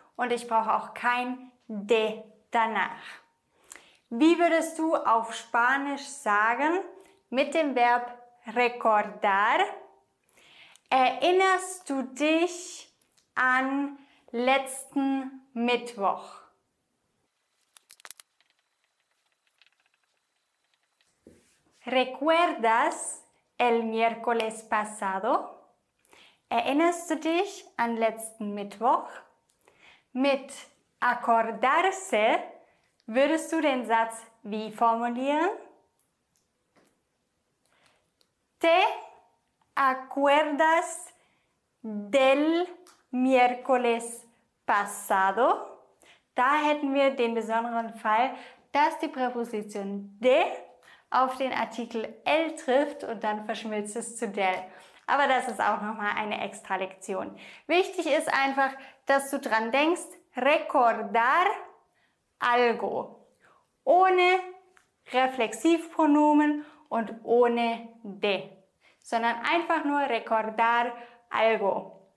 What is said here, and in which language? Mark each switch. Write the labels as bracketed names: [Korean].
[German] Und ich brauche auch kein de danach. Wie würdest du auf Spanisch sagen mit dem Verb recordar? Erinnerst du dich an letzten Mittwoch? [Spanish] ¿Recuerdas el miércoles pasado? [German] Erinnerst du dich an letzten Mittwoch? Mit acordarse würdest du den Satz wie formulieren? [Spanish] ¿Te acuerdas del miércoles pasado? [German] Da hätten wir den besonderen Fall, dass die Präposition de auf den Artikel el trifft und dann verschmilzt es zu del. Aber das ist auch nochmal eine extra Lektion. Wichtig ist einfach, dass du dran denkst, [Spanish] recordar algo, [German] ohne Reflexivpronomen und ohne de, sondern einfach nur recordar algo.